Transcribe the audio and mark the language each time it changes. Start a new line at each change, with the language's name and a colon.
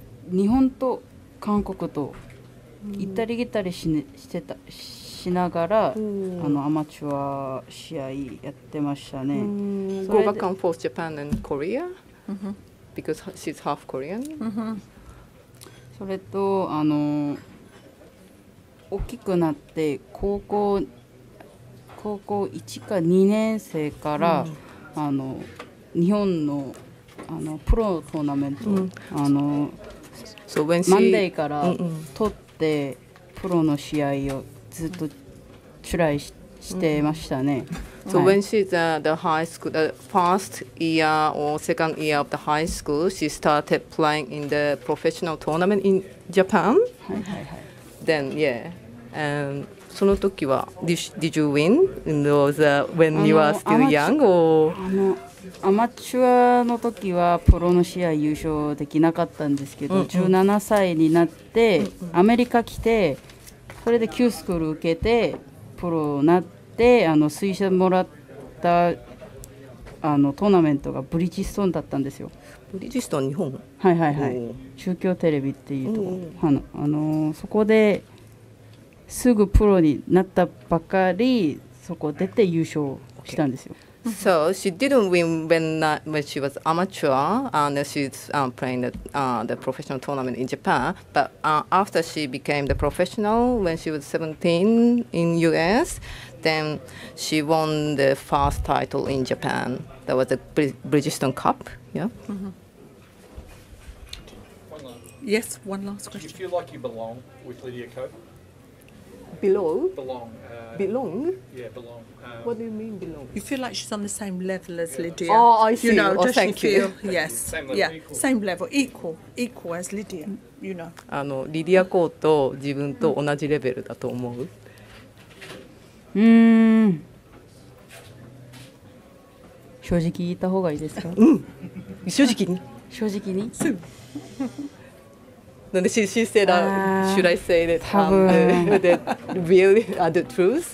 Japanese: 日本と韓国と行ったり来たり してたしながら、うん、アマチュア試合やってましたね。
English: Go back and forth Japan and Korea because she's half Korean.
Japanese: それと大きくなって高校1か2年生から、うん、日本のプロトーナメント、うん、
English: So when
Japanese: she... マンデーから取ってでプロの試合をずっとトライしてましたね。
English: So when she's the high school, the first year or second year of the high school, she started playing in the professional tournament in Japan. Then yeah, and その時は did you win in those when you were still young or?
Japanese: アマチュアの時はプロの試合優勝できなかったんですけど、うんうん、17歳になってアメリカ来てそれで Q スクール受けてプロになって推薦もらったトーナメントがブリッジストーンだったんですよ。ブリッジストーン日本、はいはいはい、中京テレビっていうとこ、そこですぐプロになったばかりそこ出て優勝したんですよ、okay.
English: So she didn't win when she was amateur and she's playing the professional tournament in Japan. But after she became the professional when she was 17 in US, then she won the first title in Japan. That was the Bridgestone Cup. Yeah. Mm-hmm. One last. Yes, one last question. Do you feel like you belong with Lydia Ko? Belong? Belong? Yeah, belong. What do you mean belong? You feel like she's on the same level as Lydia. Oh, I see. You know, oh, does thank she feel? You. Yes. Thank you. Same level, equal. Equal as Lydia, you know.
Japanese: リディアコーと自分と同じレベルだと思う? 正直言った方がいいですか？うん、正直に正直にそう。
English: She said, should I say that the real are the truth?